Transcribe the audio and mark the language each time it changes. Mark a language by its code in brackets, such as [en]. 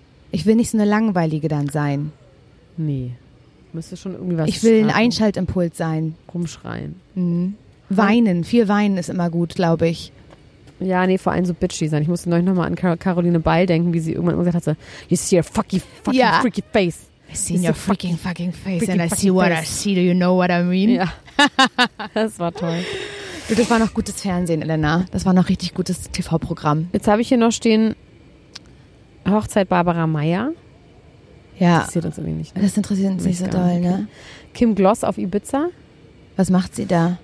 [de] Ich will nicht so eine Langweilige dann sein. Nee. Müsste schon irgendwie was Ich will ein Einschaltimpuls sein. Rumschreien. Mhm. Weinen. Viel Weinen ist immer gut, glaube ich. Ja, nee, vor allem so bitchy sein. Ich musste neulich nochmal an Caroline Ball denken, wie sie irgendwann gesagt hat, so, [en] you see your fucking freaky face. I see your fucking face and I see what face. I see. Do you know what I mean? [de] Ja. Das war toll. Du, das war noch gutes Fernsehen, Elena. Das war noch richtig gutes TV-Programm. Jetzt habe ich hier noch stehen, Hochzeit Barbara Mayer. Ja. Das interessiert uns irgendwie nicht. Ne? Das interessiert uns nicht so doll, ne? Kim Gloss auf Ibiza. Was macht sie da?